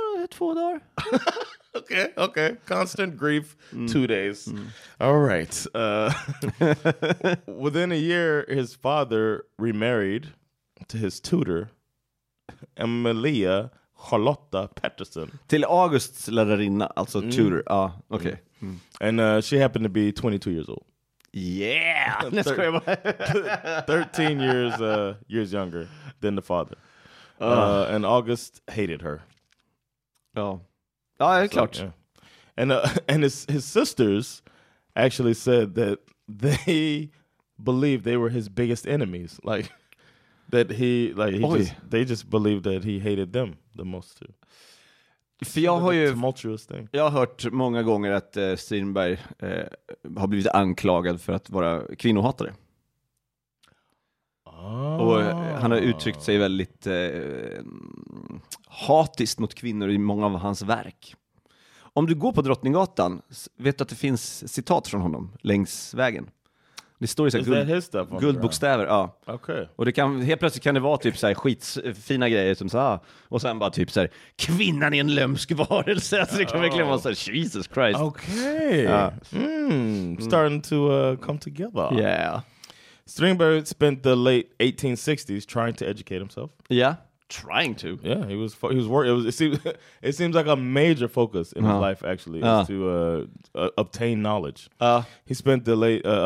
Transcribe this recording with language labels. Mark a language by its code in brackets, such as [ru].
[sv] 2 dagar. [en] Okay. Constant grief, 2 days. Mm. All right. within a year, his father remarried to his tutor, Emilia Charlotta Patterson. [sv] Till Augusts lärarinna, alltså tutor. Ja, okej. [en] And she happened to be 22 years old. Yeah, 13 years younger than the father. And August hated her. Oh, it's clutch. Like, yeah. And his sisters actually said that they believed they were his biggest enemies. Like that he just believed that he hated them the most too. [sv] För jag har ju [en] tumultuous thing. [sv] Jag har hört många gånger att Strindberg har blivit anklagad för att vara kvinnohatare. Och han har uttryckt sig väldigt hatiskt mot kvinnor i många av hans verk. Om du går på Drottninggatan, vet du att det finns citat från honom längs vägen. Det står ju så här guldbokstäver, ja. Okay. Och det kan helt plötsligt kan det vara typ så här skitfina grejer som så här, och sen bara typ så här kvinnan är en lömsk varelse, så det kan verkligen vara så här, [en] Jesus Christ. [sv] Okay. Ja. [en] Starting to come together. Yeah. Strindberg spent the late 1860s trying to educate himself. Yeah, trying to. Yeah, he was working. It seems like a major focus in his life, actually, is to obtain knowledge. He spent the late.